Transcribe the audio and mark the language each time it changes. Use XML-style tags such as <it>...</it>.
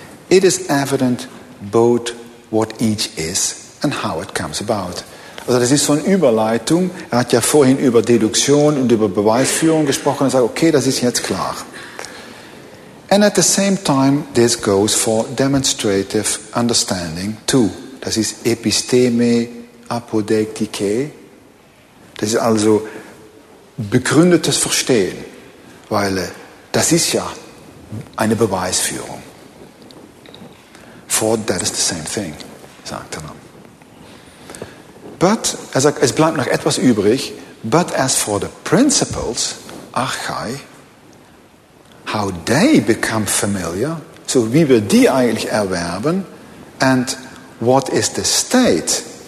<en>it is evident both what each is and how it comes about.</en> <de>Also das ist so eine Überleitung. Er hat ja vorhin über Deduktion und über Beweisführung gesprochen und sagt, okay, das ist jetzt klar.</de> <en>And at the same time, this goes for demonstrative understanding too.</en> <de>Das ist Episteme Apodeiktike. Das ist also begründetes Verstehen, weil das ist ja eine Beweisführung.</de> <en>For that is the same thing,</en> <de>sagt er dann.</de> <en>But,</en> <de>er sagt, es bleibt noch etwas übrig,</de> <en>but as for the principles, Archai, how they become familiar,</en> <de>so wie wir die eigentlich erwerben,</de> <en>and what is the state</en>